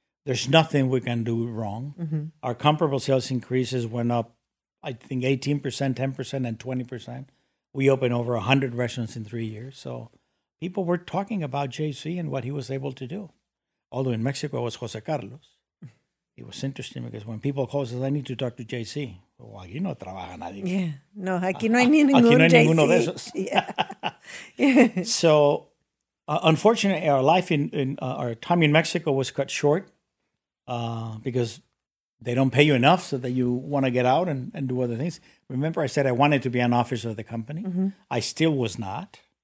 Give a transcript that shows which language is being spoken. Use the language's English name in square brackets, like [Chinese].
[English] There's nothing we can do wrong. Mm-hmm. Our comparable sales increases went up, I think, 18%, 10%, and 20%. We opened over 100 restaurants in 3 years. So people were talking about JC and what he was able to do. Although in Mexico, it was José Carlos. It was interesting because when people call us, I need to talk to JC. [Spanish] Well, aquí no trabaja nadie. [English] Yeah. [Spanish] No, aquí no hay ni ningún aquí no hay ninguno de esos. [English] Yeah. So unfortunately, our life in our time in Mexico was cut short because they don't pay you enough so that you want to get out and do other things. Remember, I said I wanted to be an officer of the company. Mm-hmm. I still was not.